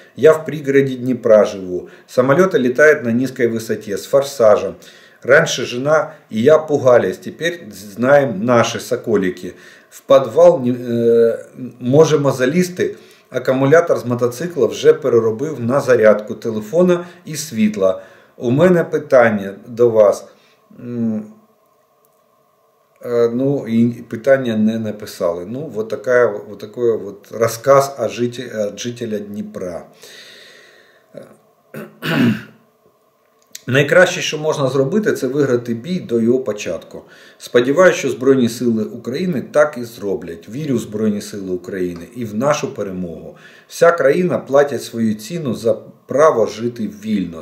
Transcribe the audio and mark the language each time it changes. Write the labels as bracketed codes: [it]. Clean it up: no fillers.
[ru] Я в пригороде Днепра живу. Самолеты летают на низкой высоте, с форсажем. Раньше жена и я пугались, теперь знаем наши соколики. [uk] В подвал можемо залізти, аккумулятор с мотоцикла вже переробив на зарядку телефона и світла. У мене питання до вас. Ну, и питання не написали. [ru] Ну, вот такой рассказ от жителя Дніпра. [uk] Найкраще, що можна зробити, це виграти бій до його початку. Сподіваюся, що Збройні Сили України так і зроблять. Вірю в Збройні Сили України і в нашу перемогу. Вся країна платить свою ціну за право жити вільно.